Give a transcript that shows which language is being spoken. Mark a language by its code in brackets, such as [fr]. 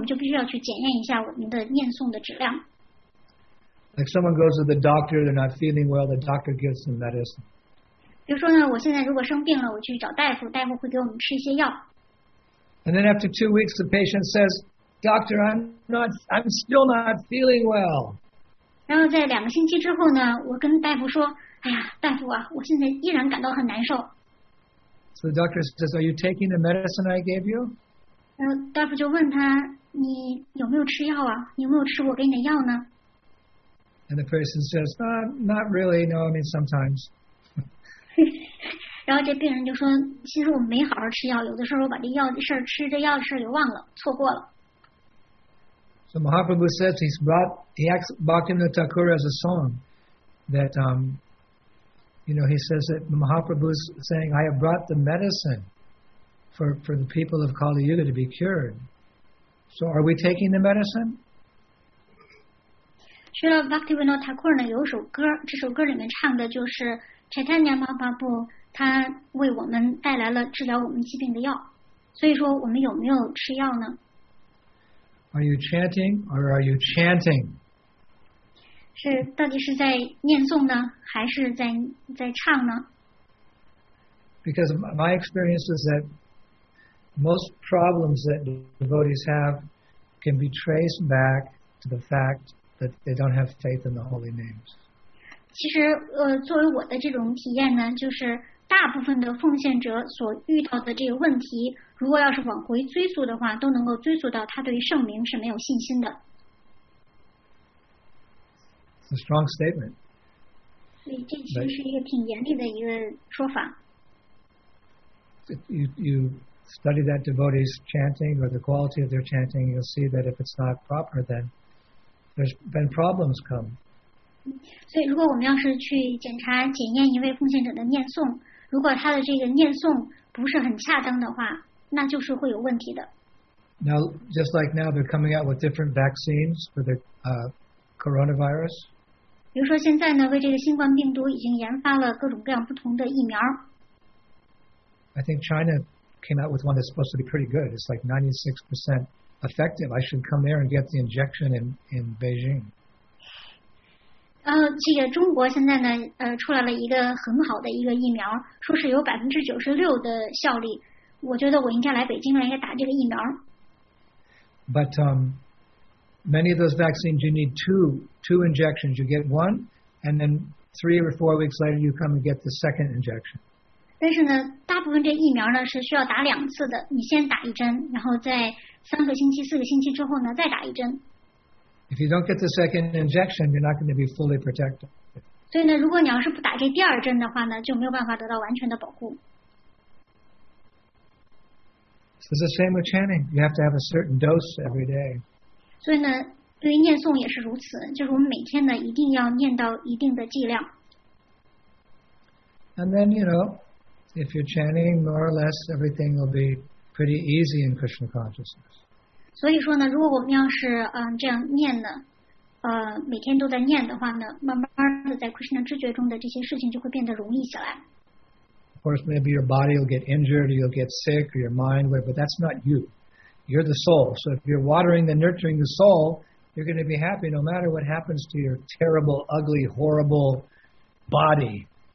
[en] Why? [zh] 所以有人可能在悲叹着，哎呀，你说我都已经成为奉献者，都已经成了这么多年了，可是我的这个念诵的质量呢，还是这么糟糕。就我为什么一直都还没有这么的有进步呢？那为什么呢？所以我们就必须要去检验一下我们的念诵的质量。 [en] Like someone goes to the doctor, they're not feeling well, the doctor gives them medicine. [zh] 比如说呢，我现在如果生病了，我去找大夫，大夫会给我们吃一些药。 [en] And then after 2 weeks, the patient says, "Doctor, I'm still not feeling well." [zh] 然后在2个星期之后呢，我跟大夫说，哎呀，大夫啊，我现在依然感到很难受。 [en] So the doctor says, "Are you taking the medicine I gave you?" [zh] 然后大夫就问他，你有没有吃药啊？你有没有吃我给你的药呢？ [en] And the person says, not really, no, I mean sometimes. [zh] 然后这病人就说，其实我没好好吃药，有的时候我把这药的事儿吃，这药的事儿就忘了，错过了。 [en] So Mahaprabhu says he's brought, he acts Bhaktivinoda Thakur as a song that, you know, he says that Mahaprabhu's saying, I have brought the medicine for the people of Kali Yuga to be cured. So are we taking the medicine? [zh] 是的 Bhaktivinoda Thakur 呢有首歌，这首歌里面唱的就是 Chaitanya Mahaprabhu 他为我们带来了治疗我们疾病的药，所以说我们有没有吃药呢？ [en] Are you chanting or are you chanting? [zh] 是到底是在念诵呢还是在唱呢？ [en] Because my experience is that most problems that devotees have can be traced back to the fact that they don't have faith in the holy names. [zh] 其实作为我的这种体验呢，就是大部分的奉献者所遇到的这个问题，如果要是往回追溯的话，都能够追溯到他对于圣名是没有信心的。 [en] It's a strong statement. [zh] 所以这其实是一个挺严厉的一个说法。 [en] You study that devotee's chanting or the quality of their chanting, you'll see that if it's not proper, then there's been problems come. [zh] 所以如果我们要是去检查检验一位奉献者的念诵，如果他的这个念诵不是很恰当的话，那就是会有问题的。 [en] Now, just like now, they're coming out with different vaccines for the coronavirus. [zh] 比如说现在呢，为这个新冠病毒已经研发了各种各样不同的疫苗。 [en] I think China came out with one that's supposed to be pretty good. It's like 96% effective. I should come there and get the injection in Beijing. [zh] 这个中国现在呢，出来了一个很好的一个疫苗，说是有96%的效力。我觉得我应该来北京来打这个疫苗。 [en] But many of those vaccines, you need two injections. You get one, and then 3 or 4 weeks later, you come and get the second injection. [zh] 但是呢，大部分这疫苗呢是需要打两次的。你先打一针，然后在3个星期、4个星期之后呢再打一针。 [en] If you don't get the second injection, you're not going to be fully protected. [zh] 所以呢，如果你要是不打这第二针的话呢，就没有办法得到完全的保护。 [en] So it's the same with chanting. You have to have a certain dose every day. [zh] 所以呢，对于念诵也是如此，就是我们每天呢一定要念到一定的剂量。 [en] And then you know, if you're chanting more or less, everything will be pretty easy in Krishna consciousness. [zh] 所以说呢，如果我们要是这样念呢，每天都在念的话呢，慢慢的在 Krishna 知觉中的这些事情就会变得容易起来。 [en] Of course, maybe your body will get injured, or you'll get sick, or your mind will, but that's not you. You're the soul. So if you're watering and nurturing the soul, you're going to be happy no matter what happens to your terrible, ugly, horrible body.